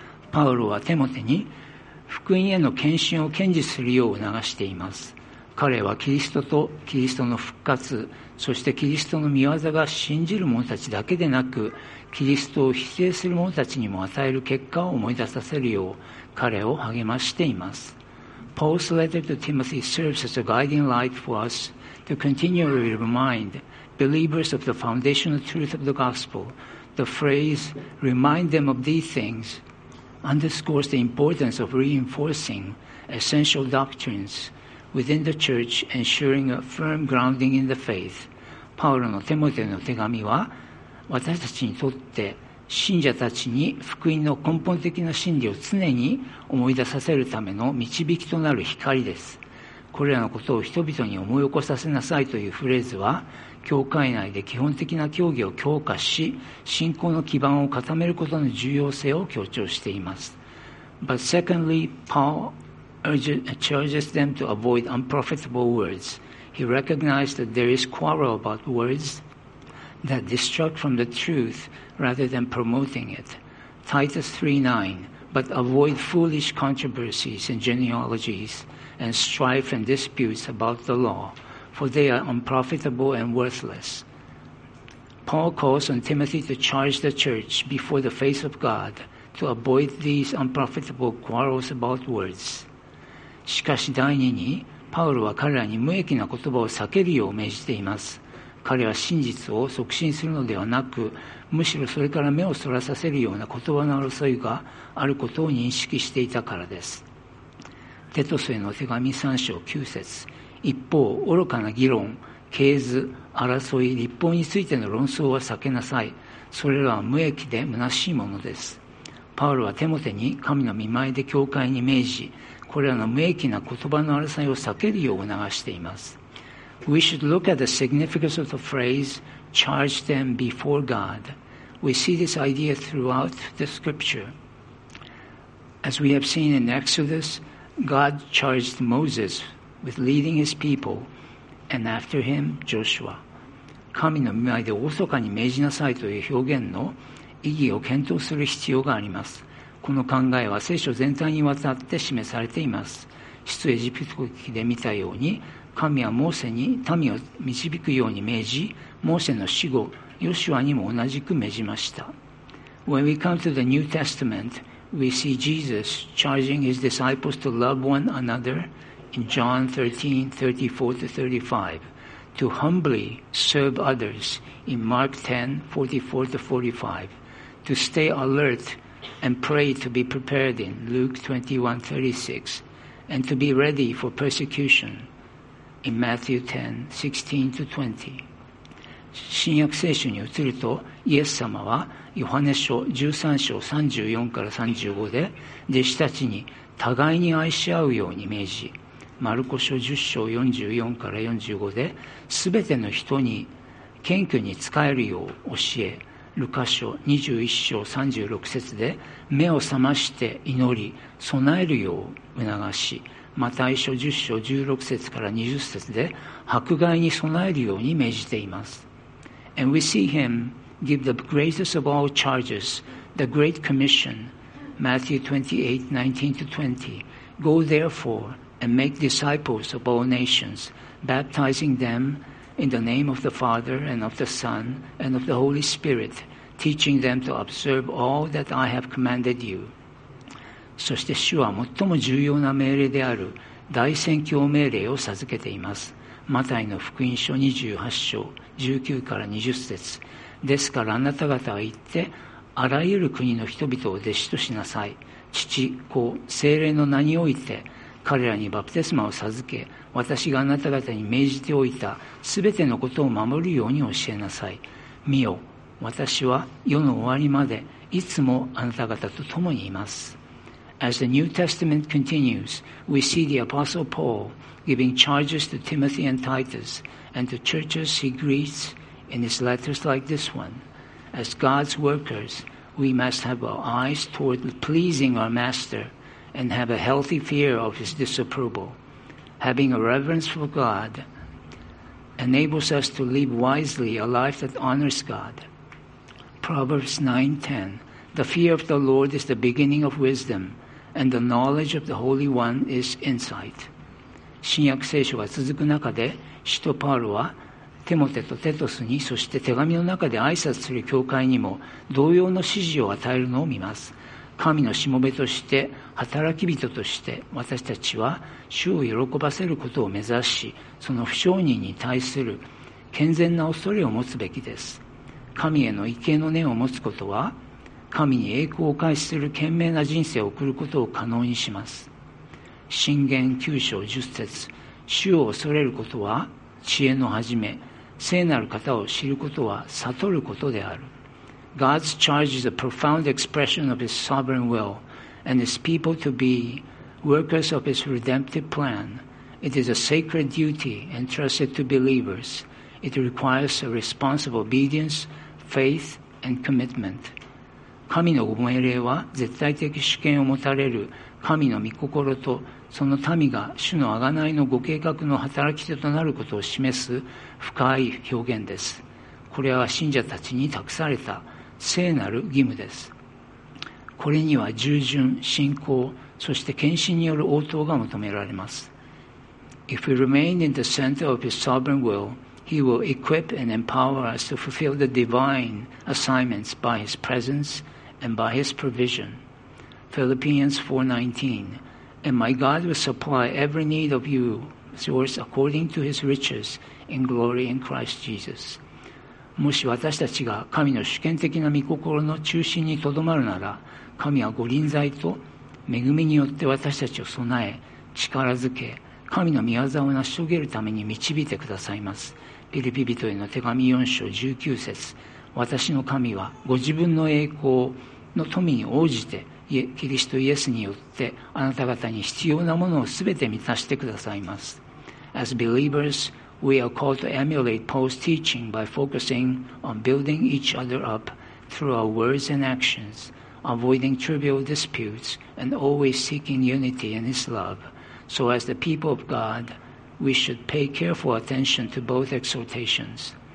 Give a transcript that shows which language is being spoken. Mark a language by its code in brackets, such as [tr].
[ja] パウロはテモテに福音への献身を堅持するよう促しています。彼はキリストとキリストの復活、そしてキリストの御業が信じる者たちだけでなく、キリストを否定する者たちにも与える結果を思い出させるよう彼を励ましています。 [en] Paul's letter to Timothy serves as a guiding light for us to continually remind believers of the foundational truth of the gospel. The phrase, remind them of these things, underscores the importance of reinforcing essential doctrines within the church, ensuring a firm grounding in the faith. [ja] パウロのテモテの手紙は、私たちにとって信者たちに福音の根本的な真理を常に思い出させるための導きとなる光です。これらのことを人々に思い起こさせなさいというフレーズは、教会内で基本的な教義を強化し、信仰の基盤を固めることの重要性を強調しています。 [en] But secondly, Paul charges them to avoid unprofitable words. He recognized that there is quarrel about words that distract from the truth rather than promoting it. Titus 3:9, but avoid foolish controversies and genealogies. And strife and disputes about the law, for they are unprofitable and worthless. Paul calls on Timothy to charge the church before the face of God to avoid these unprofitable quarrels about words. [ja] しかし第二に、パウロは彼らに無益な言葉を避けるよう命じています。彼は真実を促進するのではなく、むしろそれから目をそらさせるような言葉の争いがあることを認識していたからです。テトスへの手紙3章9節。一方、愚かな議論、経図、争い、立法についての論争は避けなさい。それらは無益で虚しいものです。パウロはテモテに神の御前で教会に命じ、これらの無益な言葉の争いを避けるよう促しています。 [en] We should look at the significance of the phrase, charge them before God. We see this idea throughout the scripture. As we have seen in Exodus,God charged Moses with leading his people, and after him, Joshua. [ja] 神の御前で厳かに命じなさいという表現の意義を検討する必要があります。この考えは聖書全体にわたって示されています。出エジプト記で見たように、神はモーセに民を導くように命じ、モーセの死後ヨシュアにも同じく命じました。 [en] When we come to the New Testament, we see Jesus charging his disciples to love one another in John 13:34-35, to humbly serve others in Mark 10:44-45, to stay alert and pray to be prepared in Luke 21:36, and to be ready for persecution in Matthew 10:16-20. [ja] 新約聖書に移るとイエス様はヨハネ書13:34-35で弟子たちに互いに愛し合うように命じ、マルコ書10:44-45で全ての人に謙虚に仕えるよう教え、ルカ書21:36で目を覚まして祈り備えるよう促し、マタイ書10:16-20で迫害に備えるように命じています。 [en] And we see him give the greatest of all charges, the Great Commission, Matthew 28:19-20. Go therefore and make disciples of all nations, baptizing them in the name of the Father and of the Son and of the Holy Spirit, teaching them to observe all that I have commanded you. [ja] そして主は最も重要な命令である大宣教命令を授けています。マタイの福音書28:19-20。ですからあなた方は行ってあらゆる国の人々を弟子としなさい。父、子、聖霊の名において彼らにバプテスマを授け、私があなた方に命じておいたすべてのことを守るように教えなさい。見よ、私は世の終わりまでいつもあなた方と共にいます。 [en] As the New Testament continues, we see the Apostle PaulGiving charges to Timothy and Titus and to churches he greets in his letters like this one. As God's workers, we must have our eyes toward pleasing our Master and have a healthy fear of his disapproval. Having a reverence for God enables us to live wisely a life that honors God. Proverbs 9:10, The fear of the Lord is the beginning of wisdom, and the knowledge of the Holy One is insight. [ja] 新約聖書が続く中で、使徒パウロはテモテとテトスに、そして手紙の中で挨拶する教会にも同様の指示を与えるのを見ます。神のしもべとして、働き人として、私たちは主を喜ばせることを目指し、その不承認に対する健全な恐れを持つべきです。神への畏敬の念を持つことは、神に栄光を返しする賢明な人生を送ることを可能にします。箴言9:10、主を恐れることは知恵の始め、聖なる方を知ることは悟ることである。 [en] God's charge is a profound expression of His sovereign will and His people to be workers of His redemptive plan. It is a sacred duty entrusted to believers. It requires a response of obedience, faith, and commitment. [ja] 神の御命令は絶対的主権を持たれる神の御心と、その民が主の贖いのご計画の働き手となることを示す深い表現です。これは信者たちに託された聖なる義務です。これには従順、信仰、そして献身による応答が求められます。 [en] If we remain in the center of His sovereign will, He will equip and empower us to fulfill the divine assignments by His presence and by His provision. Philippians 4:19. And my God will supply every need of you, yours according to his riches in glory in Christ Jesus. [ja] もし私たちが神の主権的な御心の中心にとどまるなら、神はご臨在と恵みによって私たちを備え、力づけ、神の御業を成し遂げるために導いてくださいます。ピリピ人への手紙4:19、私の神はご自分の栄光の富に応じて、キリストイエスによってあなた方に必要なものをすべて満たしてくださいます。 [en] As believers, we are called to emulate Paul's teaching by focusing on building each other up through our words and actions, avoiding trivial disputes and always seeking unity in his love. So as the people of God, we should pay careful attention to both exhortations.